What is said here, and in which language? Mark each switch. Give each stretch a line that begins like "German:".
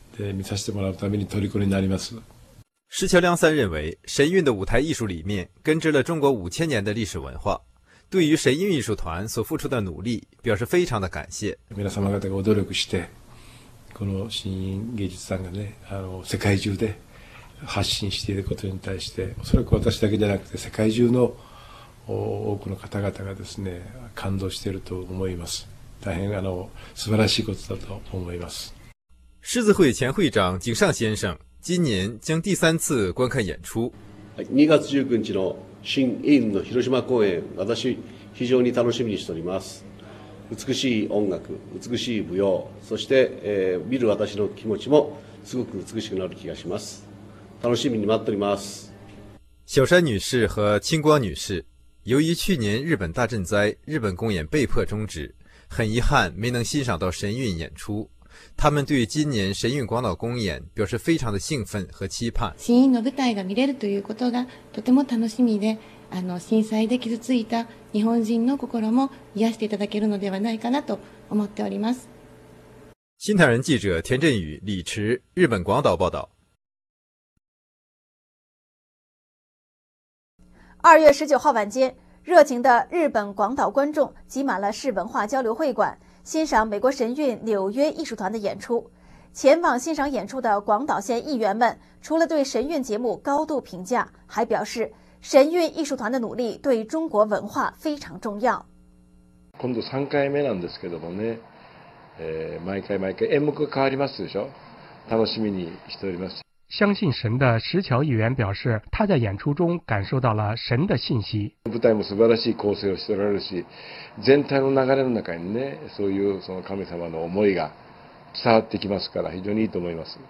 Japanese: で、見させてもらうために虜になります。
Chinese: 石桥良三认为，神韵的舞台艺术里面根植了中国5000年的历史文化，对于神韵艺术团所付出的努力表示非常的感谢。
Japanese: 皆様方がご努力して。この新芸術さんがね、世界中で発信していることに対して、おそらく私だけじゃなくて世界中の多くの方々がですね、感動していると思います。大変素晴らしいことだと思います。
Chinese: 狮子会前会長井上先生、今年将第三次观看演出。
Japanese: 2月19日の新韵の広島公演、私非常に楽しみにしております。美しい音楽、美しい舞踊、そして、見る私の気持ちもすごく美しくなる気がします。楽しみに待っております。
Chinese: 小山女士和清光女士、由于去年日本大震灾，日本公演被迫终止，很遗憾没能欣赏到神韵演出。他们对今年神韵广岛公演表示非常的兴奋和期盼。
Japanese: 神韵の舞台が見れるということがとても楽しみで、あの震災で傷ついた日本人の心も癒していただけるのではないかなと思っております。
Chinese: 新唐人记者田振宇、李池，日本广岛报道。二月十九号晚间，热情的日本广岛观众挤满了市文化交流会馆，欣赏美国神韵纽约艺术团的演出。前往欣赏演出的广岛县议员们，除了对神韵节目高度评价，还表示神韵艺术团的努力对中国文化非常重要。
Japanese: 今度三回目なんですけどもね、毎回毎回演目が変わりますでしょ。楽しみにしております。
Chinese: 相信神的石桥议员表示，他在演出中感受到了神的信息。
Japanese: 舞台も素晴らしい構成をしておられるし、全体の流れの中にね、そういうその神様の思いが伝わってきますから、非常にいいと思います。